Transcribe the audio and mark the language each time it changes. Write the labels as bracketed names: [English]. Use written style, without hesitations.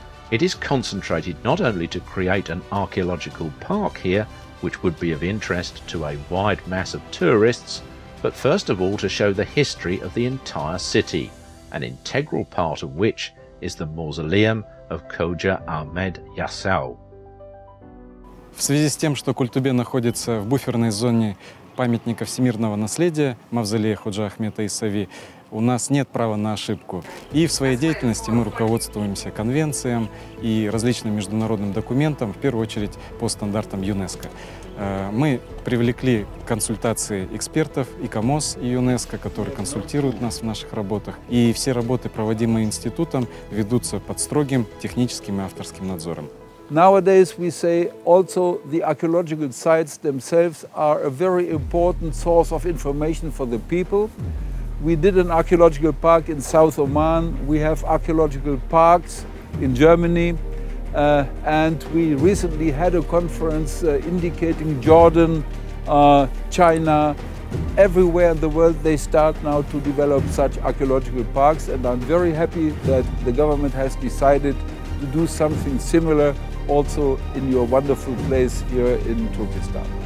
[English] It is concentrated not only to create an archaeological park here, which would be of interest to a wide mass of tourists, but first of all to show the history of the entire city, an integral part of which is the mausoleum of Khoja Ahmed Yasaw. [Russian] В связи с тем, что Культубе находится в буферной зоне памятника всемирного наследия мавзолея Ходжа Ахмеда Исави, у нас нет права на ошибку. И в своей деятельности мы руководствуемся конвенциям и различным международным документам, в первую очередь по стандартам ЮНЕСКО. Мы привлекли консультации экспертов ИКОМОС и ЮНЕСКО, которые консультируют нас в наших работах. И все работы, проводимые институтом, ведутся под строгим техническим и авторским надзором. [English] Nowadays we say also the archaeological sites themselves are a very important source of information for the people. We did an archaeological park in South Oman, we have archaeological parks in Germany, and we recently had a conference indicating Jordan, China, everywhere in the world they start now to develop such archaeological parks, and I'm very happy that the government has decided to do something similar also in your wonderful place here in Turkestan.